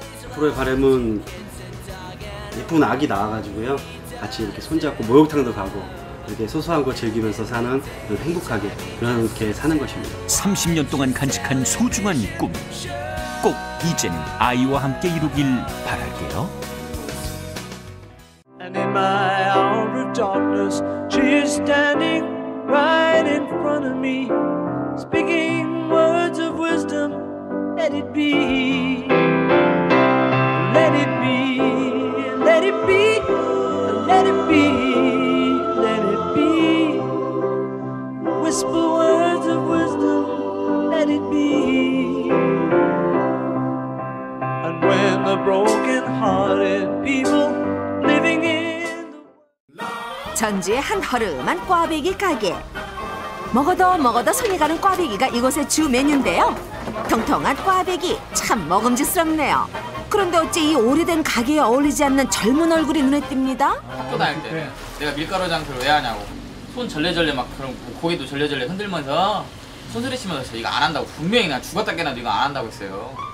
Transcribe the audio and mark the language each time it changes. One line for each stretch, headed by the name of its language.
Korean: 앞으로의 바람은 예쁜 아기 나와가지고요. 같이 이렇게 손잡고 목욕탕도 가고 이렇게 소소한 거 즐기면서 사는 행복하게 그렇게 사는 것입니다. 30년 동안 간직한 소중한 꿈 꼭 이제는 아이와 함께 이루길 바랄게요.
English: And in my hour of darkness she is standing right in front of me speaking words of wisdom let it be let it be let it be Let it be, let it be. Whisper words of wisdom, let it be. And when the broken-hearted people living in the world.
Korean: 전주의 한 허름한 꽈배기 가게. 먹어도 먹어도 손이 가는 꽈배기가 이곳의 주 메뉴인데요. 통통한 꽈배기, 참 먹음직스럽네요. 그런데 어째 이 오래된 가게에 어울리지 않는 젊은 얼굴이 눈에 띕니다. 학교 다닐 때 내가 밀가루 장사를 왜 하냐고 손 절레절레 막 그런 고개도 절레절레 흔들면서 손수리 치면서 이거 안 한다고 분명히 나 죽었다 깨나도 이거 안 한다고 했어요.